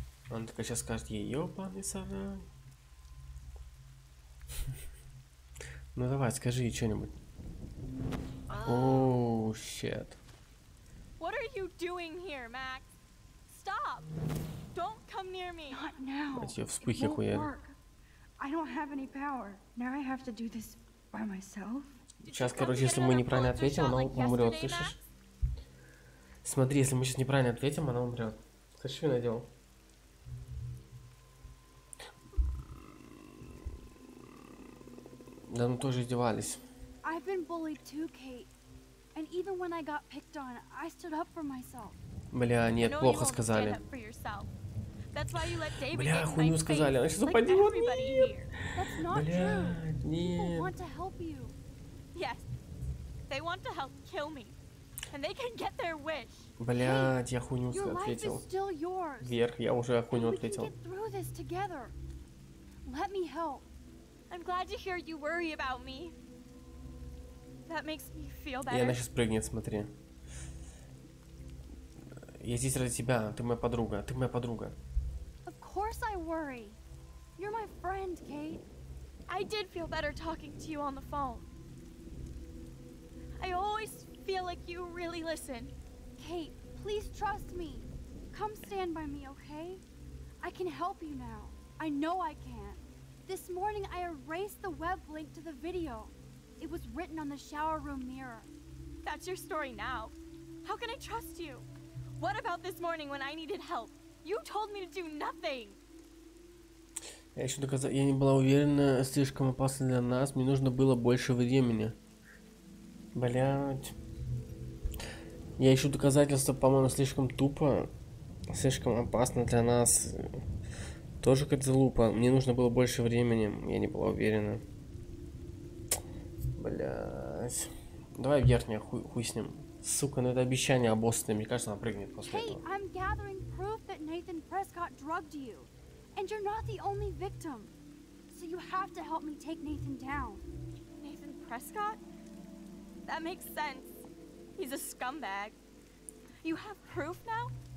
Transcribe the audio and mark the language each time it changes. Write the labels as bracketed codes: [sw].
[ru] Он такая сейчас скажет ей, ёбаный сарай. Ну давай, скажи ей что-нибудь. [en] Oh shit. What are you doing here, Max? Stop. Don't come near me. Not now. It won't work. I don't have any power. Now I have to do this by myself. [ru] Сейчас, короче, если мы неправильно ответим, она умрет, слышишь? Смотри, если мы сейчас неправильно ответим, она умрет. Ты что наделал? Да мы тоже издевались. [en] I've been bullied too, Kate. And even when I got picked on, I stood up for myself. [ru] Бля, нет, плохо сказали. [en] That's why you let David. [ru] Бля, хуйню сказали. Она сейчас упадет. Нет. [en] That's not true. People want to help you. Yes. They want to help kill me. And they can get their wish. [ru] Бля, я хуйню ответил. [en] Your life is still yours. [ru] Вверх, я уже хуйню ответил. [en] We can get through this together. Let me help. I'm glad to hear you worry about me. That makes me feel better. [ru] И она сейчас прыгнет, смотри. Я здесь ради тебя, ты моя подруга, ты моя подруга. [en] Of course I worry. You're my friend, Kate. I did feel better talking to you on the phone. I always feel like you really listen. Kate, please trust me. Come stand by me, okay? I can help you now. I know I can. This morning I erased the web link to the video. It was written on the shower room mirror. That's your story now. How can I trust you? What about this morning when I needed help? You told me to do nothing. [ru] Я еще доказать, я не была уверена, слишком опасно для нас. Мне нужно было больше времени. Блять. Я ищу доказательства, по-моему, слишком тупо. Слишком опасно для нас. Тоже как залупа. Мне нужно было больше времени. Я не была уверена. Блять. Давай верхняя, хуй с ним. Сука, ну это обещание обоссанное. Мне кажется, она прыгнет после [en] hey, [ru] этого. [en] I'm gathering proof that Nathan Prescott drugged you. And you're not the only victim. So you have to help me take Nathan down. Nathan Prescott? That makes sense. He's a scumbag. You have proof now?